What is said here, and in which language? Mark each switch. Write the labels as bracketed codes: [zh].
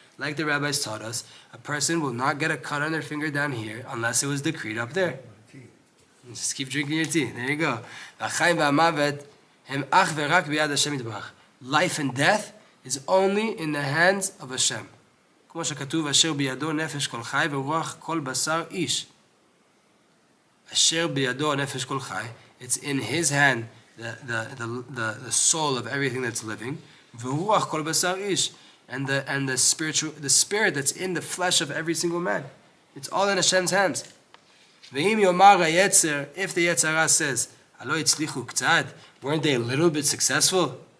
[en] Like the rabbis taught us, a person will not get a cut on their finger down here unless it was decreed up there. Just keep drinking your tea. There you go. Life and death is only in the hands of Hashem. [he] כמו שכתוב, אשר בידו נפש כל חי ורוח כל בשר איש. אשר בידו נפש כל חי, [en] it's in his hand, the soul of everything that's living, [he] ורוח כל בשר איש, [en] and the spiritual, the spirit that's in the flesh of every single man. It's all in Hashem's hands. [he] ואם יאמר היצר, [en] if the יצרה says, [he] הלא הצליחו קצת, [en] weren't they a little bit successful?